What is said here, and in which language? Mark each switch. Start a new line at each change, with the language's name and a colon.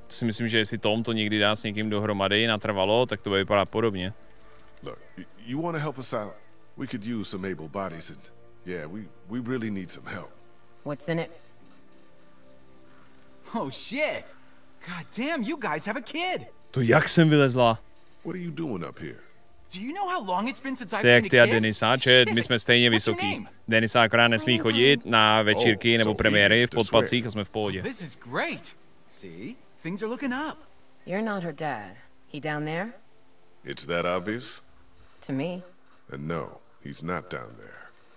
Czech: To si myslím, že jestli Tom to někdy dá s někým dohromady natrvalo, tak to bude vypadat podobně.
English: Look, you want to help us out? We could use some able bodies and yeah, we really need some help. What's in it? Oh shit! God damn, you guys have a kid!
Czech: To jak jsem vylezla?
English: What are you doing up here? Do you know how long it's been since I've seen a kid?
Czech: Ty a Denisa, čet, my jsme stejně vysoký. Denisa akorát nesmí chodit na večírky nebo premiéry v podpacích a jsme v pohodě.
English: This is great! See? Things are looking up. You're not her dad. He down there? It's that obvious? To me. And no, he's not down there.